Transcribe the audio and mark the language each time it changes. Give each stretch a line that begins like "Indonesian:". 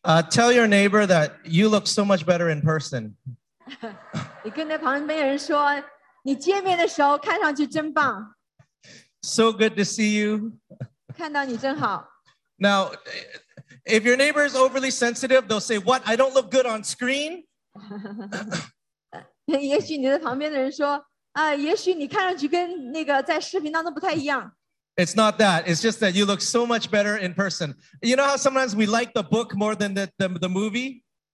English: Tell your neighbor that you look so much better in person.
Chinese: 你跟那旁边人说, 你见面的时候看上去真棒.
English: So good to see you.
Chinese: 看到你真好.
English: Now, if your neighbor is overly sensitive, they'll say, what? I don't look good on screen?
Chinese: 也许你的旁边的人说, 也许你看上去跟那个在视频当中不太一样.
English: It's not that. It's just that you look so much better in person. You know how sometimes we like the book more than the movie?